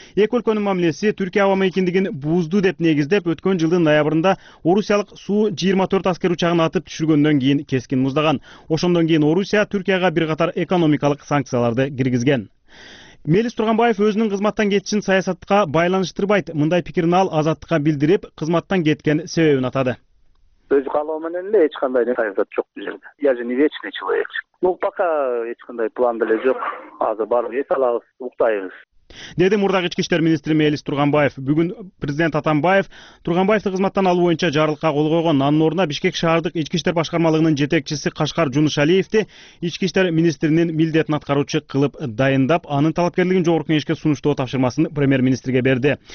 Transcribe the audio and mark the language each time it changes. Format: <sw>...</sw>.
<ky>Эки өлкөнүн мамилеси Түркия аба мейкиндигин бузду деп негиздеп өткөн жылдын ноябрында орусиялык Су-24 аскер учагын атып түшүргөндөн кийин кескин муздаган. Ошондон кийин Орусия Түркияга бир катар экономикалык санкцияларды киргизген. Мелис Турганбаев өзүнүн кызматтан кетишин саясатка байланыштырбайт. Мындай пикирин ал Азаттыкка билдирип, кызматтан кеткен себебин атады. Өз каалоо менен эле эч кандай саясат жок бул жерде.</ky> <ru>Я же не вечный человек. Ну пока</ru> <ky>эч кандай план деле жок. Азыр барып эс алабыз, уктайбыз. Деди мурдагы ички иштер министри Мелис Турганбаев. Бүгүн президент Атамбаев Турганбаевди кызматтан алуу боюнча жарлыкка кол койгон. Анын ордуна Бишкек шаардык ички иштер башкармалыгынын жетекчиси Кашкар Жунушалиевди ички иштер министринин милдетин аткаруучу кылып дайындап, анын талапкерлигин жогорку кеңешке сунуштоо тапшырмасын премьер-министрге берди.</ky>